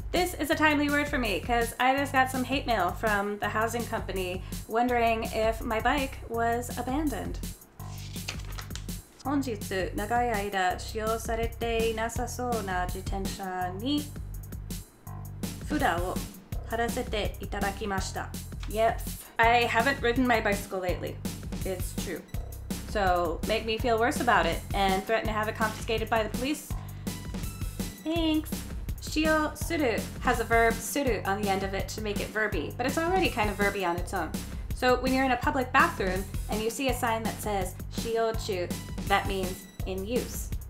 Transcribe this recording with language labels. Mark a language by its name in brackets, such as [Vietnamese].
[English] This is a timely word for me because I just got some hate mail from the housing company wondering if my bike was abandoned. [Japanese] 本日、長い間使用されていなさそうな自転車に札を貼らせていただきました。 [English] Yes, I haven't ridden my bicycle lately. It's true. So make me feel worse about it and threaten to have it confiscated by the police. Thanks. 使用する has a verb suru on the end of it to make it verby, but it's already kind of verby on its own. So when you're in a public bathroom and you see a sign that says 使用中, that means in use.